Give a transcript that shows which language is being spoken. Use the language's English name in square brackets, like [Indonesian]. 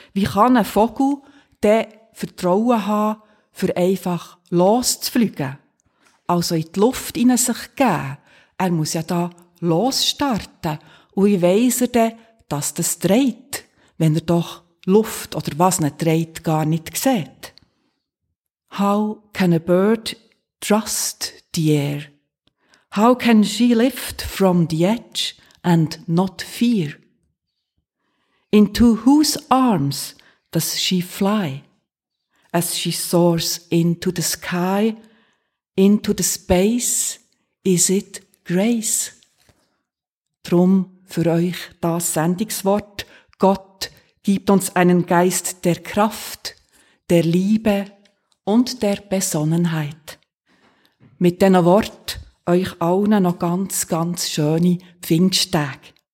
[German] Wie kann ein Vogel den Vertrauen haben, für einfach loszufliegen? Also in die Luft in sich geben. Er muss ja da losstarten. Und wie weiss er denn, dass das dreht, wenn er doch Luft oder was nicht dreht, gar nicht sieht? [English] How can a bird trust the air? How can she lift from the edge and not fear? Into whose arms does she fly as she soars into the sky, into the space? Is it grace? [German] Drum für euch das Sendungswort. Gott gibt uns einen Geist der Kraft, der Liebe und der Besonnenheit. Mit diesen Worten euch allen noch ganz, ganz schöne Pfingsttage.